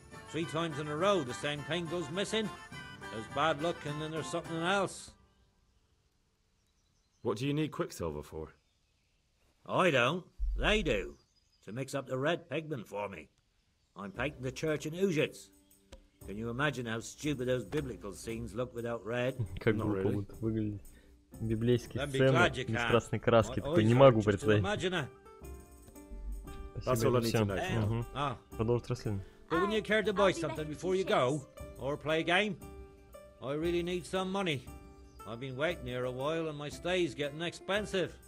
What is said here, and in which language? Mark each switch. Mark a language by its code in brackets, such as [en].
[en] Three times in a row, the same paint goes missing. There's bad luck and then there's something else. What do you need quicksilver for? I don't. They do. To mix up the red pigment for me. I'm painting the church in Ужиц. Can you imagine how stupid those biblical scenes look without red? Not really. [ru] Библейские сцены без красной краски. Такой не могу представить. [en] That's all I need to know. [ru] Продолжить расследование. [en] But wouldn't you care to buy something before you go? Or play a game? I really need some money. I've been waiting here a while and my stay is getting expensive.